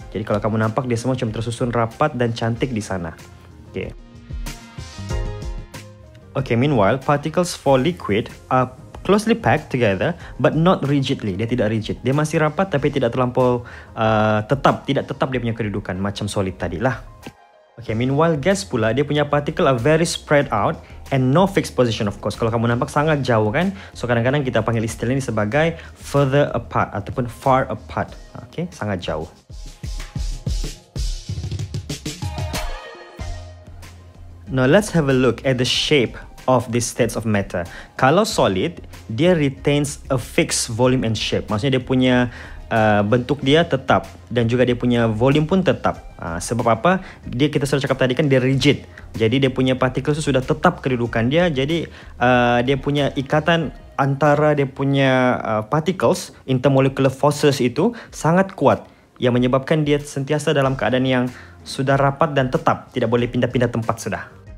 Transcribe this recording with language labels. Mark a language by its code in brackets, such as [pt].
[ms] Jadi kalau kamu nampak, dia semua cuma tersusun rapat dan cantik di sana. Okay. [en] Okay, meanwhile, particles for liquid are closely packed together, but not rigidly. [ms] Dia tidak rigid. Dia masih rapat, tapi tidak terlampau tetap. Tidak tetap dia punya kedudukan, macam solid tadi lah. [en] Okay, meanwhile, [ms] gas pula, dia punya [en] particle are very spread out and no fixed position, of course. [ms] Kalau kamu nampak, sangat jauh kan? So, kadang-kadang kita panggil istilah ini sebagai [en] further apart [ms] ataupun [en] far apart. [ms] Okay, sangat jauh. [en] Now let's have a look at the shape of these states of matter. [ms] Kalau solid, dia [en] retains a fixed volume and shape. [ms] Maksudnya dia punya bentuk dia tetap dan juga dia punya volume pun tetap. Sebab apa? Dia kita sudah cakap tadi kan dia rigid. Jadi dia punya partikel itu sudah tetap kedudukan dia. Jadi dia punya ikatan antara dia punya particles, intermolecular forces itu sangat kuat yang menyebabkan dia sentiasa dalam keadaan yang sudah rapat dan tetap, tidak boleh pindah-pindah tempat sudah.